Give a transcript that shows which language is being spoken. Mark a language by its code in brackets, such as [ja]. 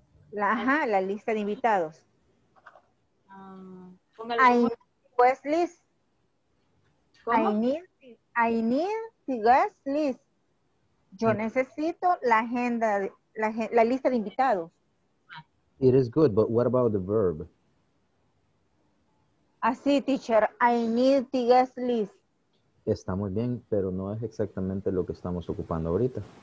[es] La lista de invitados. [en] Guest list. I need guest list. [es] Yo necesito la agenda, la lista de invitados. [en] It is good, but what about the verb? Así, teacher. I need the guest list. [es] Está muy bien, pero no es exactamente lo que estamos ocupando ahorita.